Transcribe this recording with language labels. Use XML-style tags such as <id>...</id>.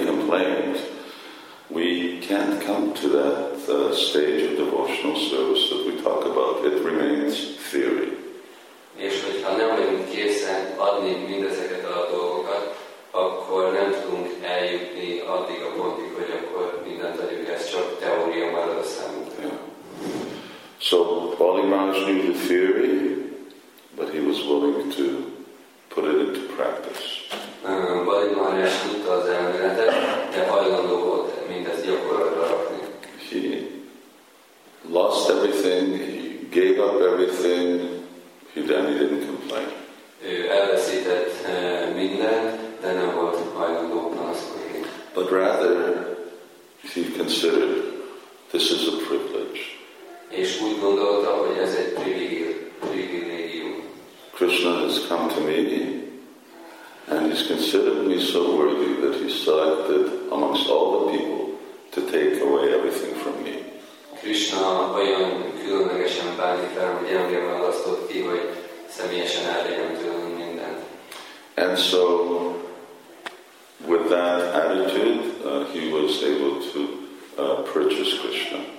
<en>can't come to that stage of devotional service that we talk about. It remains theory.</en> <hu>És hogyha nem vagyunk készen adni mindezeket a dolgokat, akkor nem tudunk eljutni addig a pontig, hogy akkor mindent adjuk, ez csak teória már a számunkra.</hu> <en>So, Pali Maharaj knew the theory, but he was willing to put it into practice.</en> <hu>Pali Maharaj tudta az elméletet, de hajlandó volt mindez gyakorlatra rakni.</hu> <en>He lost everything, he gave up everything, then he didn't complain.</en> <hu>Ő elveszített mindent, de nem volt hajlandó panaszkodni.</hu> <en>But rather, he considered, this is a privilege.</en> <hu>És úgy gondolta, hogy ez egy privilégium.</hu> <en>Krishna has come to me and he's considered me so worthy that he selected amongst all the people to take away everything from me.</en> <hu>Krishna olyan különlegesen bánik fel, hogy engem választott ki, hogy személyesen elvegyem tőlem mindent.</hu> <en>And so with that attitude he was able to purchase Krishna.</en>